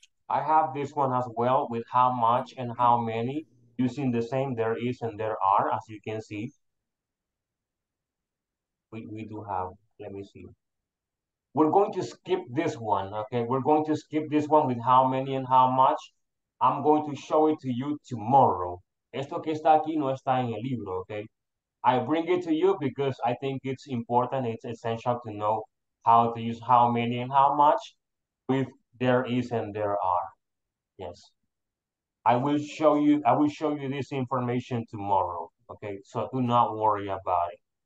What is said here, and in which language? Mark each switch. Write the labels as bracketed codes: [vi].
[en] I have this one as well with how much and how many using the same there is and there are, as you can see. We do have, let me see. We're going to skip this one, okay? We're going to skip this one with how many and how much. I'm going to show it to you tomorrow. [es] Esto que está aquí no está en el libro, okay? [en] I bring it to you because I think it's important, it's essential to know how to use how many and how much with there is and there are. Yes. I will show you this information tomorrow. Okay, so do not worry about it.